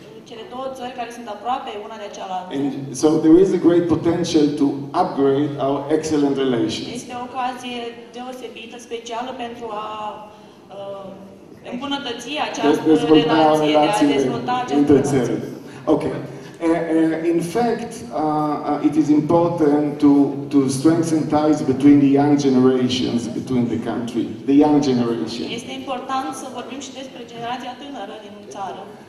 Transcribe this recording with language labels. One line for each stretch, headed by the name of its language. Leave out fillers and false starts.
Romanian: Cele două țări care sunt aproape una de cealaltă.
English: And so there is a great potential to upgrade our excellent relations.
Romanian: Este o ocazie deosebită, specială pentru a îmbunătăți această relație, de a dezvolta această relație.
English: Okay. In fact, it is important to strengthen ties between the young generations between the country, the young generation.
Romanian: Este important să vorbim și despre generația tânără din țară.